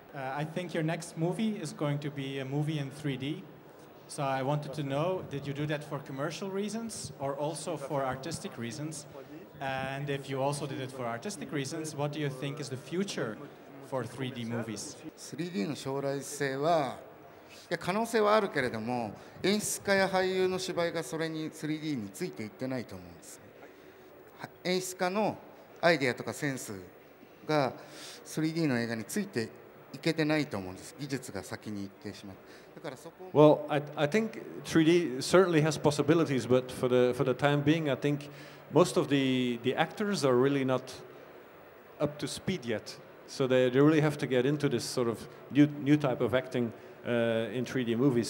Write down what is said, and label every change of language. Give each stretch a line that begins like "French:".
English: I think your next movie is going to be a movie in 3D. So I wanted to know, did you do that for commercial reasons or also for artistic reasons? And if you also did it for artistic reasons, what do you think is the future for 3D movies?
Japanese: 3D の将来性は、いや可能性はあるけれども、演出家や俳優の芝居がそれに 3D についていってないと思うんです。演出家のアイデアとかセンスが 3D の映画についていけてないと思うんです。技術が先に行ってしまう。
English: Well, I think 3D certainly has possibilities, but for the time being, I think most of the actors are really not up to speed yet. So they really have to get into this sort of new type of acting in 3D movies.